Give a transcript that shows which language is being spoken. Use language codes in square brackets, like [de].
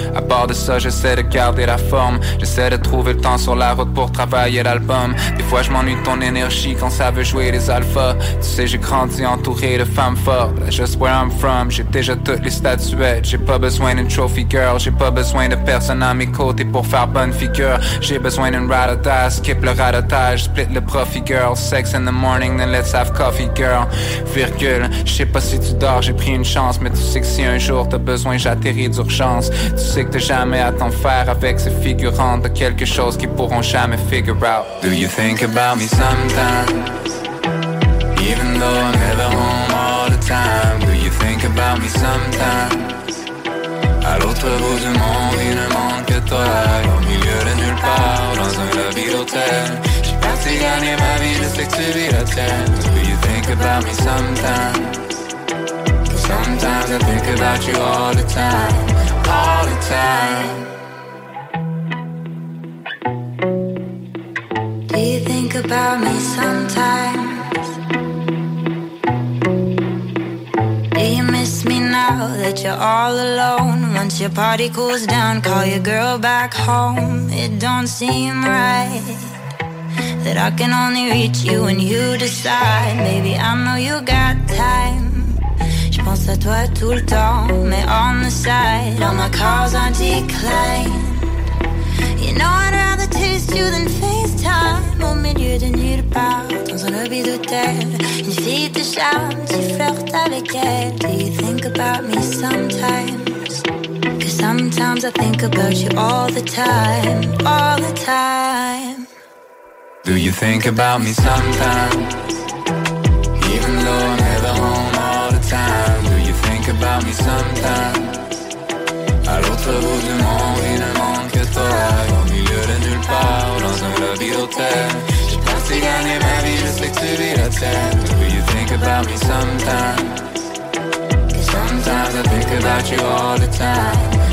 [fr] À part de ça, j'essaie de garder la forme. J'essaie de trouver le temps sur la route pour travailler l'album. Des fois, je m'ennuie de ton énergie quand ça veut jouer les alphas. Tu sais, j'ai grandi entouré de femmes fortes. [en] That's just where I'm from, [fr] j'ai déjà toutes les statuettes. J'ai pas besoin d'une [en] trophy girl. [fr] J'ai pas besoin de personne à mes côtés pour faire bonne figure. J'ai besoin d'une ratata, skip le ratatage. [en] Split le profit girl, sex in the morning, then let's have coffee girl. [fr] Je sais pas si tu dors, j'ai pris une chance. Mais tu sais que si un jour t'as besoin, j'atterris d'urgence. Tu sais que t'as jamais à t'en faire avec ces figurantes. T'as quelque chose qu'ils pourront jamais [en] figure out. Do you think about me sometimes? Even though I'm never home all the time. Do you think about me sometimes? [fr] À l'autre bout du monde, il ne manque que toi. Au milieu de nulle part, dans un lobby d'hôtel. Si gagner ma vie, je sais que tu vis la tienne. [en] Do you think about me sometimes? Sometimes I think about you all the time. All the time. Do you think about me sometimes? Me now that you're all alone. Once your party cools down, call your girl back home. It don't seem right that I can only reach you when you decide. Maybe I know you got time. [fr] Je pense à toi tout le temps, mais [en] on the side, all my calls on decline. You know I'd rather taste you than FaceTime. [fr] Au milieu de nulle part, dans un lobby d'hôtel. Une fille de charme, tu flirtes avec elle. [en] Do you think about me sometimes? Cause sometimes I think about you all the time. All the time. Do you think about me sometimes? Even though I'm never home all the time. Do you think about me sometimes? [fr] À l'autre bout du monde, il ne manque que toi. Au milieu de nulle part, dans un lobby d'hôtel. J'ai pensé gagner ma vie, je sais que tu vis la tienne. [en] Do you think about me sometimes? Sometimes I think about you all the time.